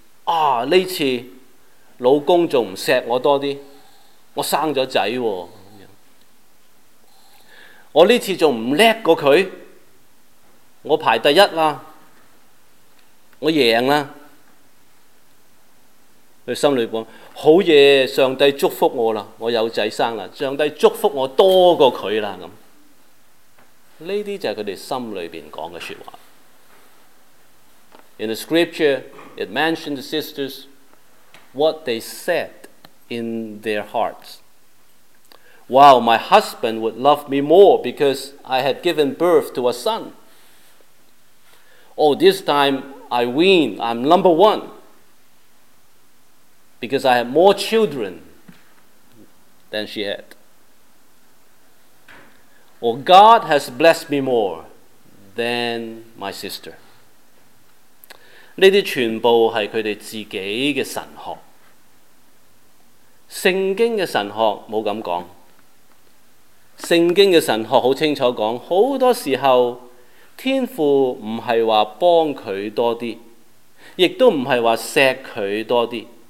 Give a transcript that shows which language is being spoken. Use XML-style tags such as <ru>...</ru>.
<yue>啊，这次老公还不锡我多一点，我生了仔，我这次还不叻过他，我排第一了，我赢了。他心里说，好嘢，上帝祝福我了，我有仔生了，上帝祝福我多过他了。这些就是他们心里面说的说话。</yue> <en>In the scripture, it mentioned the sisters, what they said in their hearts. Wow, my husband would love me more because I had given birth to a son. Oh, this time I win, I'm number one. Because I have more children than she had. Oh, God has blessed me more than my sister.</en> <yue>这些全部是他们自己的神学，圣经的神学没这样说。圣经的神学很清楚说，很多时候天父不是说帮他多一点，也都不是说锡他多一点。</yue>